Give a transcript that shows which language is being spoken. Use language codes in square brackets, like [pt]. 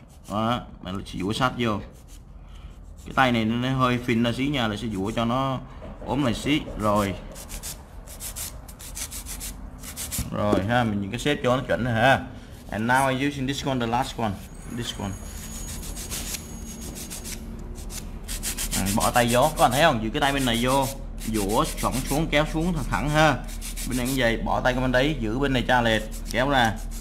[vi] Đó, mình sẽ vũa sát vô. Cái tay này nó hơi phình ra xí nha, là sẽ vũa cho nó ốm lại xí. Rồi. Rồi ha, mình những cái xếp cho nó chuẩn rồi ha. [en] And now I'm using this one, the last one. This one. [vi] Bỏ tay vô, các bạn thấy không, giữ cái tay bên này vô, dũa chuẩn xuống, kéo xuống thật thẳng ha. Bên này cũng vậy, bỏ tay của bên đấy, giữ bên này cho lệch, kéo ra.